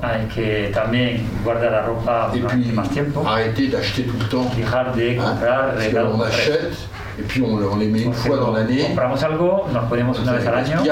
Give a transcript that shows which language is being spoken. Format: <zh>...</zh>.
<es>Ah, et que también guardar la ropa</es> <fr>et puis,</fr> <es>más tiempo.</es> <fr>Arrêter d'acheter tout le temps.</fr> <es>Dejar de comprar, regalo.</es> <fr>On achète et puis on les met une fois dans l'année.</fr> <es>Compramos algo, nos ponemos una vez al año.</es>